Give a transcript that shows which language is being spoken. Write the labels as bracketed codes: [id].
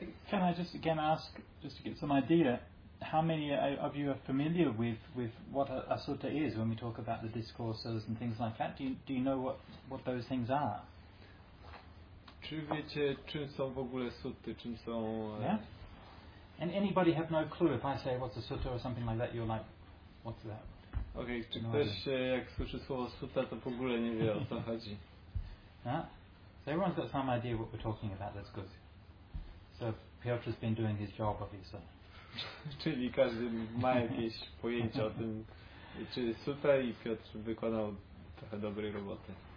[en] Can I just again ask, just to get some idea, how many of you are familiar with what a sutta is when we talk about the discourses and things like that? Do you know what those things are? [pl] Czy wiecie, czym są w ogóle sutty, czym są... [en] Yeah? And anybody have no clue if I say what's a sutta or something like that, you're like, what's that? [pl] Okej, okay, czy no ktoś, idea. Jak słyszy słowo sutta, to w ogóle nie wie, o co chodzi. [en] Yeah? So everyone's got some idea what we're talking about, that's good. So Piotr's been doing his job, obviously. [pl] Czyli każdy ma jakieś pojęcie o tym, czy sutta, i Piotr wykonał trochę dobrej roboty.